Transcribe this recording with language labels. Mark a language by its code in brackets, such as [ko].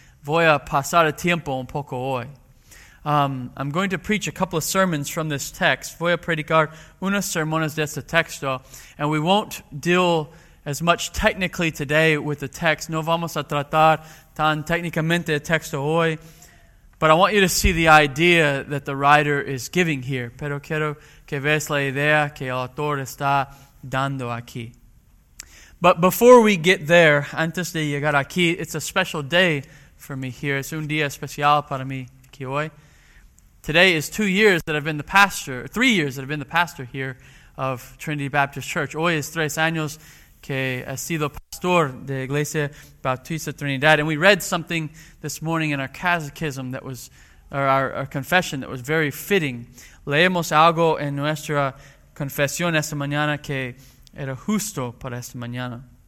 [es] Voy a pasar el tiempo un poco hoy. [en] I'm going to preach a couple of sermons from this text. [es] Voy a predicar unos sermones de este texto. [en] And we won't deal as much technically today with the text. [es] No vamos a tratar tan técnicamente el texto hoy. [en] But I want you to see the idea that the writer is giving here. [es] Pero quiero que veas la idea que el autor está dando aquí. [en] But before we get there, [es] antes de llegar aquí, [en] it's a special day for me here. [es] Es un día especial para mí aquí hoy. [en] Today is 2 years that I've been the pastor, 3 years that I've been the pastor here of Trinity Baptist Church. [es] Hoy es tres años que ha sido pastor de Iglesia Bautista Trinidad. [en] And we read something this morning in our catechism that was, or our confession that was very fitting. [es] Leemos algo en nuestra confesión esta mañana que era justo para esta mañana.